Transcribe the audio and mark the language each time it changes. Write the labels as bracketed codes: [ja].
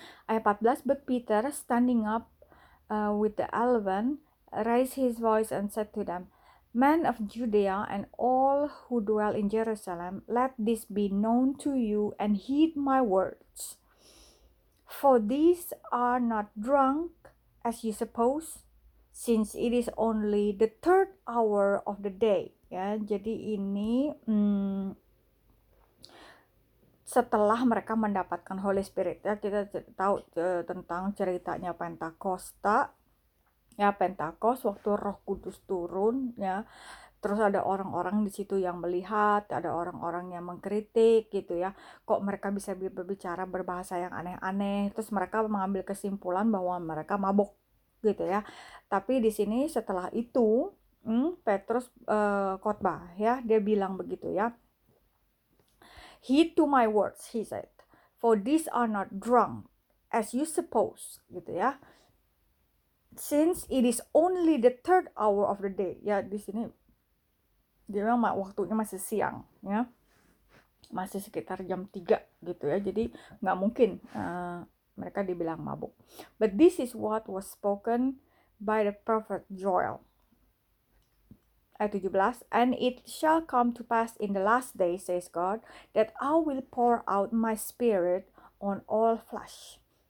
[id] Ayat 14, [en] but Peter standing up with the 11 raised his voice and said to them, men of Judea and all who dwell in Jerusalem, let this be known to you and heed my words. For these are not drunk as you suppose, since it is only the third hour of the day. [id] Ya, jadi ini setelah mereka mendapatkan Holy Spirit ya, kita tahu tentang ceritanya Pentakosta ya, Pentakos waktu Roh Kudus turun ya, terus ada orang-orang di situ yang melihat, ada orang-orang yang mengkritik gitu ya, kok mereka bisa berbicara berbahasa yang aneh-aneh, terus mereka mengambil kesimpulan bahwa mereka mabok gitu ya. Tapi di sini setelah itu Petrus khotbah ya, dia bilang begitu ya, [en] heed to my words, he said, for these are not drunk as you suppose, [id] gitu ya, [en] since it is only the third hour of the day. [id] Ya, di sini dia memang waktunya masih siang ya, masih sekitar jam 3 gitu ya, jadi nggak mungkin mereka dibilang mabuk. [en] But this is what was spoken by the prophet Joel. [id] Ayat 17, [en] and it shall come to pass in the last days, says God, that I will pour out my spirit on all flesh.